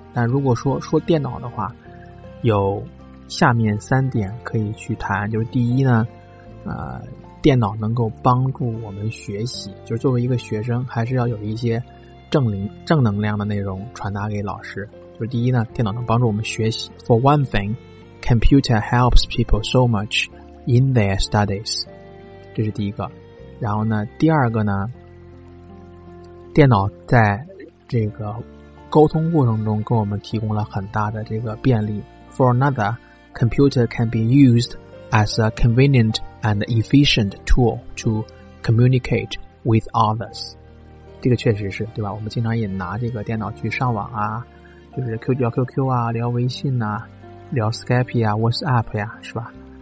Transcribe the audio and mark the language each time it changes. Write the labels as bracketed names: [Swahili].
[Chinese] 但如果说电脑的话，有下面三点可以去谈。就是第一呢，电脑能够帮助我们学习，就是作为一个学生还是要有一些正能量的内容传达给老师。就是第一呢，电脑能帮助我们学习。 [English] For one thing, computer helps people so much in their studies, [Chinese] 这是第一个。然后呢第二个呢，电脑在这个沟通过程中给我们提供了很大的这个便利。 [English] For another, computer can be used as a convenient and efficient tool to communicate with others. [Chinese] 这个确实是，对吧？我们经常也拿这个电脑去上网啊，就是聊 QQ 啊，聊微信啊，聊 Skype 啊， WhatsApp 呀，是吧？